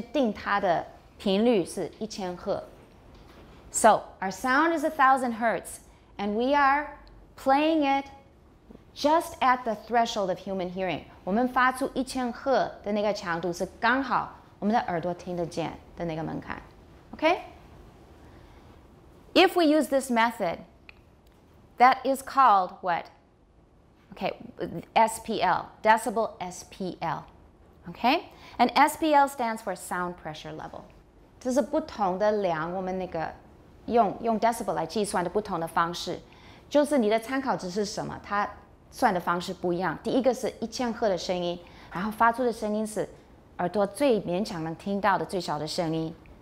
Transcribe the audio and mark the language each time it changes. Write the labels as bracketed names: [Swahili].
[Chinese] 我们如果发出的声音，我们先定它的频率是1000赫. [English] So our sound is 1,000 hertz, and we are playing it just at the threshold of human hearing. [Chinese] 我们发出1000赫的那个强度是刚好我们的耳朵听得见的那个门槛. [English] Okay? If we use this method, that is called what? Okay, SPL, decibel SPL. Okay, and SPL stands for sound pressure level. [Chinese] 这是不同的量，我们那个用 decibel 来计算的不同的方式，就是你的参考值是什么，它算的方式不一样。第一个是1000赫的声音，然后发出的声音是耳朵最勉强能听到的最小的声音。